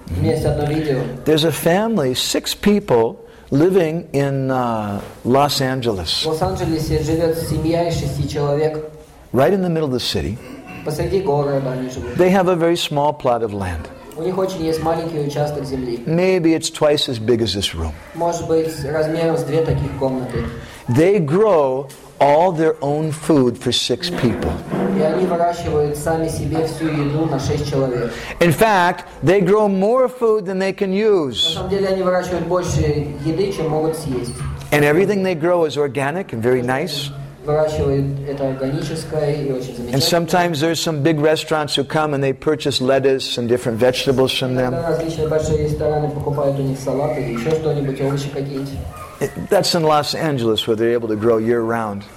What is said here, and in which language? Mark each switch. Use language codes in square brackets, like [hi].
[en] There's a family, six people, living in Los Angeles. Right in the middle of the city. They have a very small plot of land. [ru] У них очень есть маленький участок земли. [en] Maybe it's twice as big as this room. [ru] Может быть, размером с две таких комнаты. [en] They grow all their own food for six people. [ru] И они выращивают сами себе всю еду на шесть человек. [en] In fact, they grow more food than they can use. [ru] На самом деле, они выращивают больше еды, чем могут съесть. [en] And everything they grow is organic and very nice. And sometimes there's some big restaurants who come and they purchase lettuce and different vegetables from them. That's in Los Angeles where they're able to grow year-round.